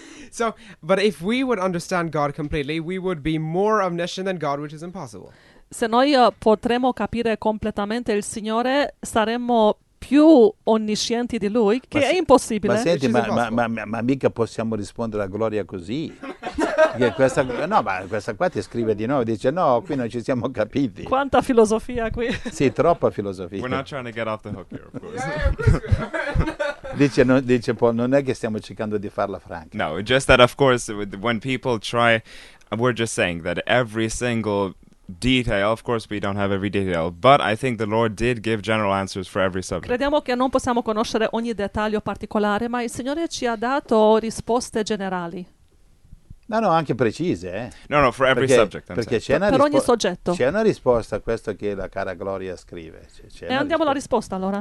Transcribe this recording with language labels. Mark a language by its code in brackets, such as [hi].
[en] So, but if we would understand God completely, we would be more omniscient than God, which is impossible. [it] Se noi potremmo capire completamente il Signore, saremmo più onniscienti di lui, che è impossibile. Ma senti, ma mica possiamo rispondere a Gloria così. questa qua ti scrive di nuovo, dice no, qui non ci siamo capiti. Quanta filosofia qui. Sì, troppa filosofia. [en] We're not trying to get off the hook here, of course. [it] dice Paul, non è che stiamo cercando di farla franca. [en] No, just that of course, when people try, we're just saying that every single... detail, of course we don't have every detail, but I think the Lord did give general answers for every subject. [it] Crediamo che non possiamo conoscere ogni dettaglio particolare, ma il Signore ci ha dato risposte generali. No, anche precise. [en] No, for every subject. [it] Perché c'è una per ogni soggetto. C'è una risposta a questo che la cara Gloria scrive. E andiamo alla risposta allora.